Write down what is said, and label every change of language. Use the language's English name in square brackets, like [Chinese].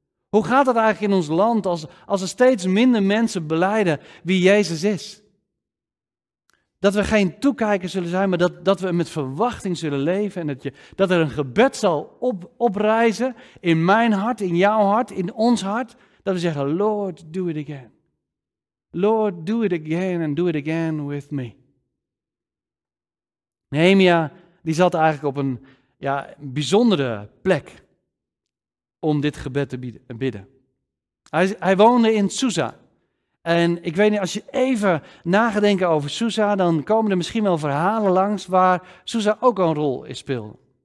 [Dutch] Hoe gaat dat eigenlijk in ons land als er steeds minder mensen belijden wie Jezus is? Dat we geen toekijkers zullen zijn, maar dat we met verwachting zullen leven en dat er een gebed zal oprijzen in mijn hart, in jouw hart, in ons hart, dat we zeggen, [English] Lord, do it again. Lord, do it again and do it again with me. [Dutch] Nehemia die zat eigenlijk op een bijzondere plek om dit gebed te bidden. Hij woonde in Susa En ik weet niet, als je even nagedenken over Susa, dan komen er misschien wel verhalen langs waar Susa ook een rol in speelde.